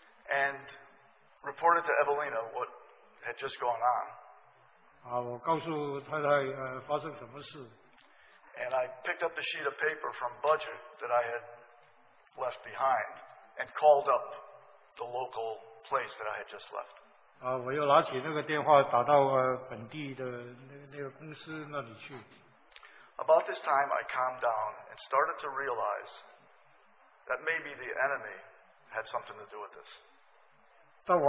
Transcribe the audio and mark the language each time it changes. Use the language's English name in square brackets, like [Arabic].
[English] and reported to Evelina what had just gone on. [Chinese] 我告诉太太发生什么事, [English] and I picked up the sheet of paper from budget that I had left behind and called up the local place that I had just left. [Chinese] 我又拿起那个电话打到本地的那个公司那里去。 [English] About this time, I calmed down and started to realize that maybe the enemy had something to do with this.